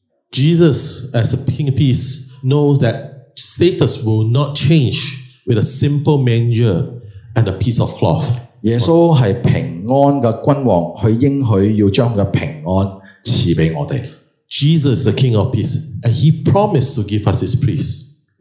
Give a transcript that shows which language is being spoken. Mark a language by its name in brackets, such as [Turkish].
[English] Jesus, as a king of peace, knows that status will not change with a simple manger and a piece of cloth. [Chinese] 耶稣是平安的君王，他应许要将平安赐给我们。 [English] Jesus is the King of Peace, and He promised to give us His peace.